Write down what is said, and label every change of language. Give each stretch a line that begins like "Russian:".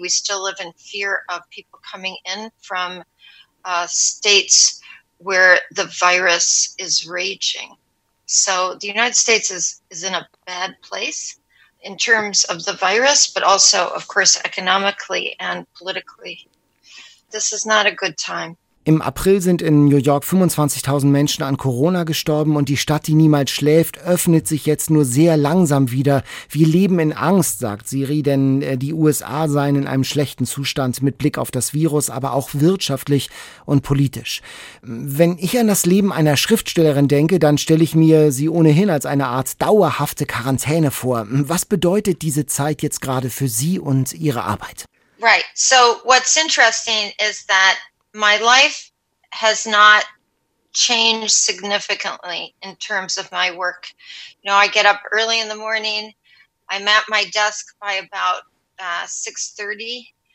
English: We still live in fear of people coming in from states where the virus is raging. So the United States is in a bad place in terms of the virus, but also, of course, economically and politically. This is not a good time.
German: Im April sind in New York 25.000 Menschen an Corona gestorben und die Stadt, die niemals schläft, öffnet sich jetzt nur sehr langsam wieder. Wir leben in Angst, sagt Siri, denn die USA seien in einem schlechten Zustand mit Blick auf das Virus, aber auch wirtschaftlich und politisch. Wenn ich an das Leben einer Schriftstellerin denke, dann stelle ich mir sie ohnehin als eine Art dauerhafte Quarantäne vor. Was bedeutet diese Zeit jetzt gerade für Sie und Ihre Arbeit?
English: Right. So what's interesting is that my life has not changed significantly in terms of my work. You know, I get up early in the morning. I'm at my desk by about 6:30.